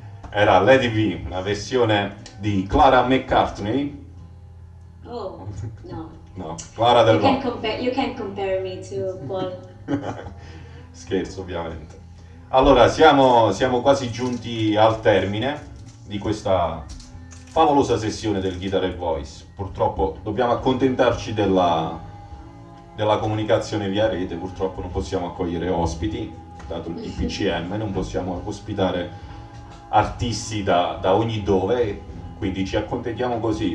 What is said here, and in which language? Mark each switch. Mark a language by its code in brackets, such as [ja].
[it] Era Let It Be, la versione di Clara McCartney. Oh, no. No, Clara Del Ron. [en] You can compare me to Paul. [it] Scherzo, ovviamente. Allora, siamo quasi giunti al termine di questa favolosa sessione del Guitar & Voice. Purtroppo dobbiamo accontentarci della comunicazione via rete, purtroppo non possiamo accogliere ospiti, dato il DPCM, non possiamo ospitare artisti da ogni dove, quindi ci accontentiamo così.